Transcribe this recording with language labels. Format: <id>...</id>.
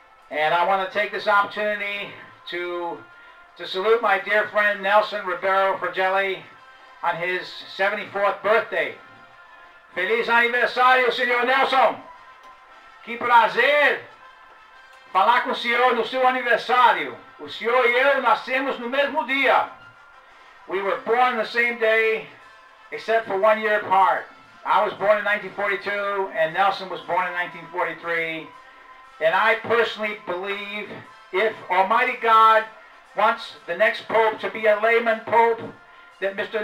<en>And I want to take this opportunity to salute my dear friend Nelson Ribeiro Fragelli on his 74th birthday.</en> <pt>Feliz aniversario, Senhor Nelson! Que prazer falar com o senhor no seu aniversário. O senhor e eu nascemos no mesmo dia.</pt> <en>We were born the same day, except for 1 year apart. I was born in 1942, and Nelson was born in 1943. And I personally believe if Almighty God wants the next pope to be a layman pope, that Mr.</en>